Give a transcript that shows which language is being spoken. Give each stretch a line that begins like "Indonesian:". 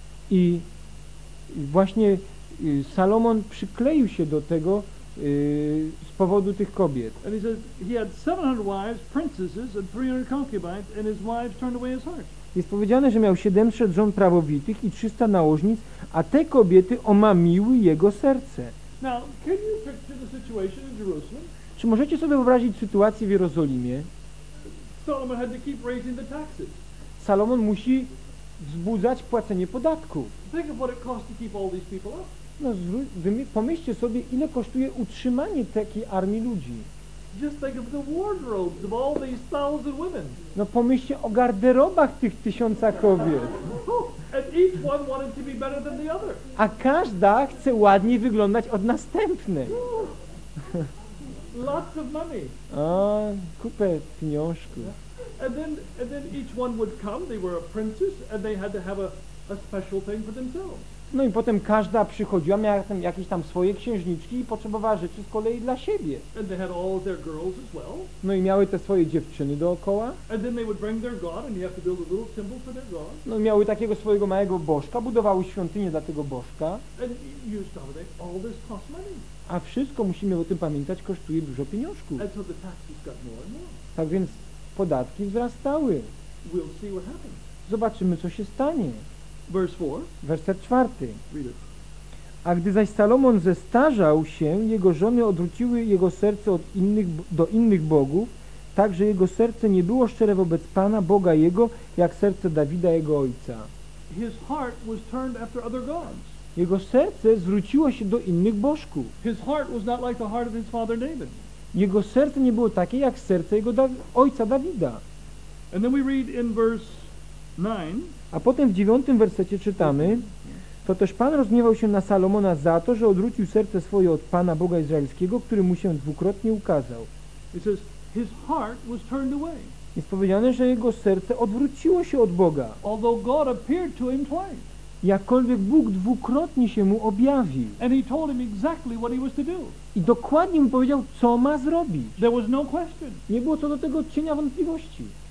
Polish: I właśnie Salomon przykleił się do tego z powodu tych kobiet.
English: And he says he had 700 wives, princesses and 300 concubines and his wives turned away his heart.
Polish: Jest powiedziane, że miał 700 żon prawowitych i 300 nałożnic, a te kobiety omamiły jego serce.
English: Now, can you picture the situation in Jerusalem?
Polish: Czy możecie sobie wyobrazić sytuację w Jerozolimie?
English: Solomon had to keep raising the taxes.
Polish: Salomon musi wzbudzać płacenie podatków.
English: Think of what it costs to keep all these people up.
Polish: No, pomyślcie sobie, ile kosztuje utrzymanie takiej armii ludzi.
English: Just think of the wardrobes of all these thousand women.
Polish: No, pomyślcie o garderobach tych tysiąca kobiet.
English: And each one wanted to be better than the other.
Polish: A każda chce ładniej wyglądać od następnej.
English: Lots of money.
Polish: A, kupę pieniążków.
English: And then each one would come. They were a princess, and they had to have a special thing for themselves.
Polish: No i potem każda przychodziła, miała tam jakieś tam swoje księżniczki i potrzebowała rzeczy z kolei dla siebie.
English: And they had all their girls as well.
Polish: No i miały te swoje dziewczyny dookoła.
English: And then they would bring their god, and you have to build a little temple for their god.
Polish: No i miały takiego swojego małego bożka, budowały świątynię dla tego bożka.
English: And you start with all this cost money.
Polish: A wszystko, musimy o tym pamiętać, kosztuje dużo pieniążków.
English: And so the taxes got more and more.
Polish: Tak więc podatki wzrastały.
English: We'll see what happens.
Polish: Zobaczymy, co się stanie. Werset 4. A gdy zaś Salomon zestarzał się, jego żony odwróciły jego serce od innych, do innych bogów, tak że jego serce nie było szczere wobec Pana, Boga jego, jak serce Dawida, jego ojca.
English: His heart was turned after other gods.
Polish: Jego serce zwróciło się do innych bożków.
English: His heart was not like the heart of his father David.
Polish: Jego serce nie było takie, jak serce jego ojca Dawida.
English: And then we read in verse 9.
Polish: A potem w 9 wersecie czytamy: to też Pan rozgniewał się na Salomona za to, że odwrócił serce swoje od Pana Boga Izraelskiego, który mu się dwukrotnie ukazał.
English: It says, his heart was turned away.
Polish: Jest powiedziane, że jego serce odwróciło się od Boga.
English: Although God appeared to him twice.
Polish: Jakkolwiek Bóg dwukrotnie się mu objawił.
English: And he told him exactly what he was to do.
Polish: I dokładnie mu powiedział, co ma zrobić.
English: There was no question.
Polish: Nie było co do tego cienia wątpliwości.